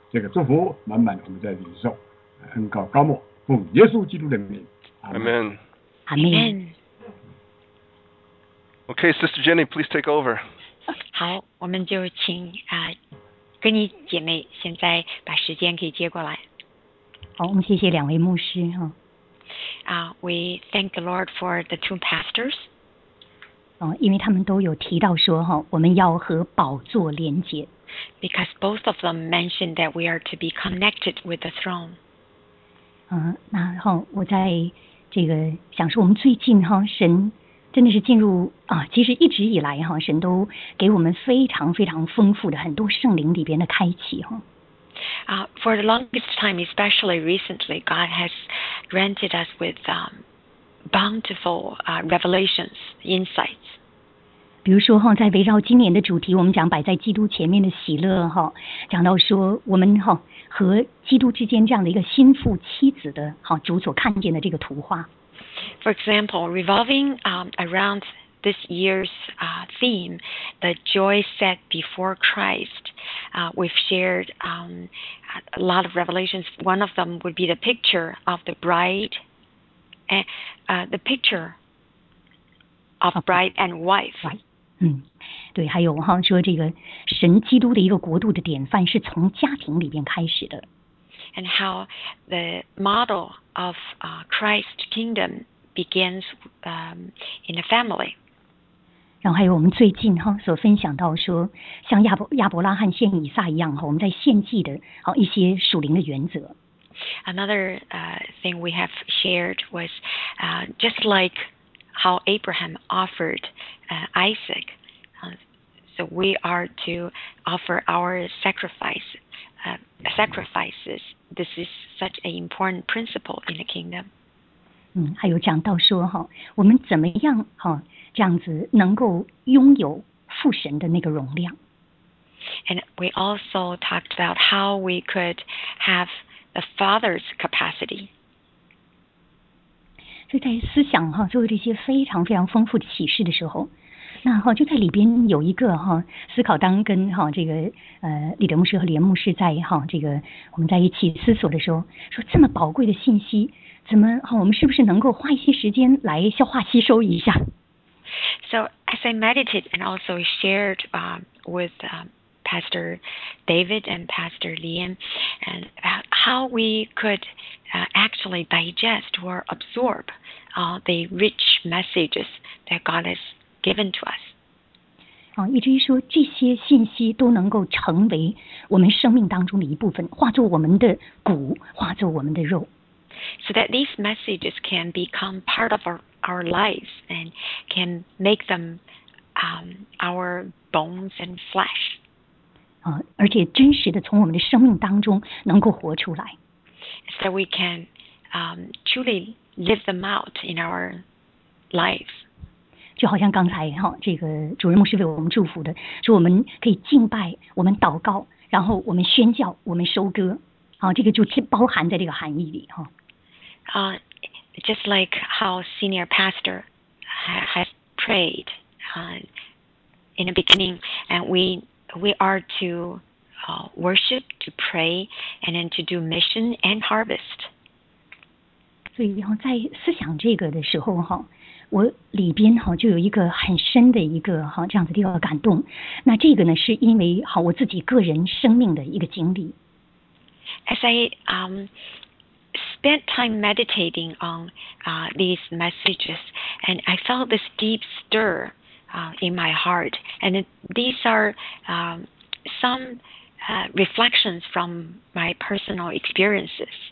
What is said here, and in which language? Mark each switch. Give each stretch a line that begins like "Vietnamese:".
Chinese: 这个祝福满满的，我们在领受，恩高高莫，奉耶稣基督的名，阿门。
English: Amen. Amen. Okay, Sister Jenny, please take over.
Chinese: 好，我们就请跟你姐妹现在把时间可以接过来。好，我们谢谢两位牧师哈。
English: We thank the Lord for the two pastors.
Chinese: 因为他们都有提到说哈，我们要和宝座连接。
English: Because both of them mentioned that we are to be connected with the throne.
Chinese: 然后我在这个想说，我们最近哈，神真的是进入其实一直以来哈，神都给我们非常非常丰富的很多圣灵里边的开启哈。
English: For the longest time, especially recently, God has granted us with bountiful revelations, insights.
Chinese: 比如说哈，在围绕今年的主题，我们讲摆在基督前面的喜乐哈，讲到说我们哈和基督之间这样的一个心腹妻子的哈主所看见的这个图画。
English: For example, revolving around this year's theme, the joy set before Christ, we've shared a lot of revelations. One of them would be the picture of the bride, the picture of bride and wife.
Chinese: 对，还有哈说这个神基督的一个国度的典范是从家庭里面开始的。
English: And how the model of Christ's kingdom begins in the family.
Chinese: 然后还有我们最近哈所分享到说，像亚伯拉罕献以撒一样哈，我们在献祭的一些属灵的原则。
English: Another thing we have shared was just like how Abraham offered Isaac. So we are to offer our sacrifices. This is such an important principle in the kingdom.
Chinese: 还有讲到说哈，我们怎么样哈这样子能够拥有父神的那个容量。
English: And we also talked about how we could have the Father's capacity.
Chinese: 所以在思想哈，作为这些非常非常丰富的启示的时候，那哈就在里边有一个哈思考，当跟哈这个李德牧师和李牧师在哈这个我们在一起思索的时候，说这么宝贵的信息，怎么哈我们是不是能够花一些时间来消化吸收一下
English: ？So as I meditated and also shared with Pastor David and Pastor Liam and about how we could actually digest or absorb the rich messages that God has given to us.
Chinese: 以至于说这些信息都能够成为我们生命当中的一部分，化作我们的骨，化作我们的肉。
English: So that these messages can become part of our lives and can make them our bones and flesh.
Chinese: 而且真实的从我们的生命当中能够活出来。
English: So we can truly live them out in our lives.
Chinese: 就好像刚才哈，这个主任牧师为我们祝福的，说我们可以敬拜，我们祷告，然后我们宣教，我们收割。这个就包含在这个含义里哈。
English: just like how senior pastor has prayed in the beginning, and we are to worship, to pray, and then to do mission and harvest.
Chinese: 所以在思想这个的时候我里边就有一个很深的一个这样子的一个感动，那这个呢是因为我自己个人生命的一个经历。
English: As I spent time meditating on these messages, and I felt this deep stir in my heart, and these are some reflections from my personal experiences.